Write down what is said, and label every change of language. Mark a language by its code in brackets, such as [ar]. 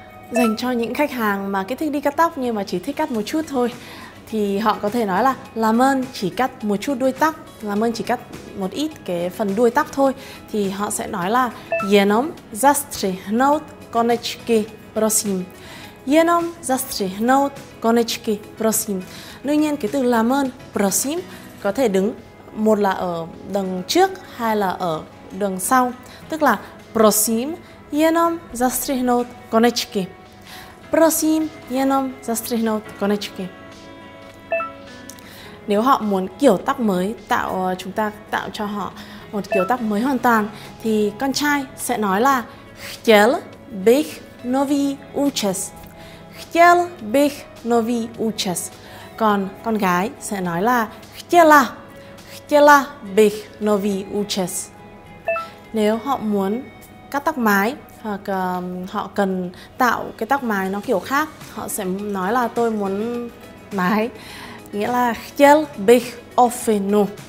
[vi] Dành cho những khách hàng mà cái thích đi cắt tóc nhưng mà chỉ thích cắt một chút thôi thì họ có thể nói là làm ơn chỉ cắt một chút đuôi tóc, làm ơn chỉ cắt một ít cái phần đuôi tóc thôi, thì họ sẽ nói là [cs] jenom zastřihnout konečky prosím. Jenom zastřihnout konečky prosím. [vi] Đương nhiên cái từ làm ơn prosím có thể đứng một là ở đằng trước hay là ở đằng sau, tức là [cs] prosím jenom zastřihnout konečky. Prosím jenom zastřihnout konečky. [vi] Nếu họ muốn kiểu tóc mới, chúng ta tạo cho họ một kiểu tóc mới hoàn toàn thì con trai sẽ nói là [cs] chtěl bych nový účes. Chtěl bych nový účes. [vi] Còn con gái sẽ nói là chtěla. [cs] Chtěla bych nový účes. [vi] Nếu họ muốn cắt tóc mái hoặc họ cần tạo cái tóc mái nó kiểu khác, họ sẽ nói là tôi muốn mái. Nghĩa là [cs] chtěl bych ofinu.